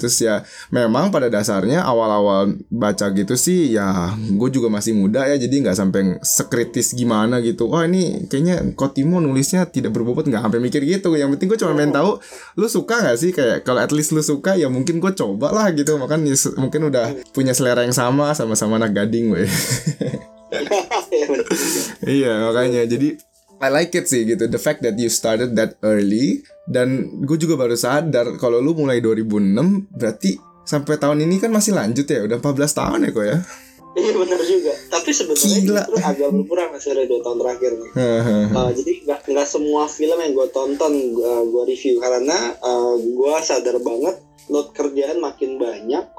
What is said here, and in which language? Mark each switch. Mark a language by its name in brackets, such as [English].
[Indonesian] Terus ya memang pada dasarnya awal-awal baca gitu sih, ya gue juga masih muda ya, jadi gak sampai sekritis gimana gitu. Oh ini kayaknya kok Timo nulisnya tidak berbobot, gak sampai mikir gitu. Yang penting gue cuma pengen tahu lu suka gak sih, kayak kalau at least lu suka ya mungkin gue coba lah gitu. Makan mungkin udah punya selera yang sama-sama anak gading weh. Iya makanya jadi [English] I like it [Indonesian] sih gitu, [English] the fact that you started that early. [Indonesian] Dan gue juga baru sadar kalau lu mulai 2006 berarti sampai tahun ini kan masih lanjut ya, udah 14 tahun ya kok ya. Iya benar juga. Tapi sebenarnya justru agak berkurang sejak 2 tahun terakhir. Jadi nggak semua film yang gue tonton gue review karena gue sadar banget load kerjaan makin banyak.